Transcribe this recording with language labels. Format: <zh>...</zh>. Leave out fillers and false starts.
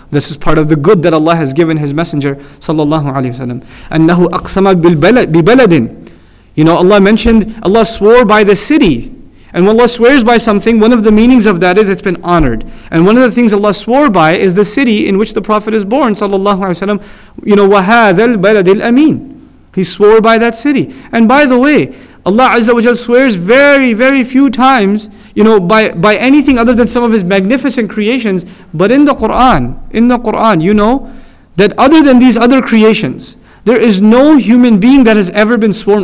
<en>This is part of the good that Allah has given His Messenger</en> <ar>صلى الله عليه وسلم. أَنَّهُ أَقْسَمَ بِبَلَدٍ.</ar> <en>You know, Allah mentioned, Allah swore by the city. And when Allah swears by something, one of the meanings of that is it's been honored. And one of the things Allah swore by is the city in which the Prophet is born</en> <ar>صلى الله عليه وسلم.</ar> <en>You know,</en> <ar>وَهَذَا الْبَلَدِ الْأَمِينَ.</ar> <en>He swore by that city. And by the way, Allah Azza wa Jal swears very, very few times, you know, by anything other than some of His magnificent creations. But in the Quran, you know, that other than these other creations, there is no human being that has ever been sworn.</en>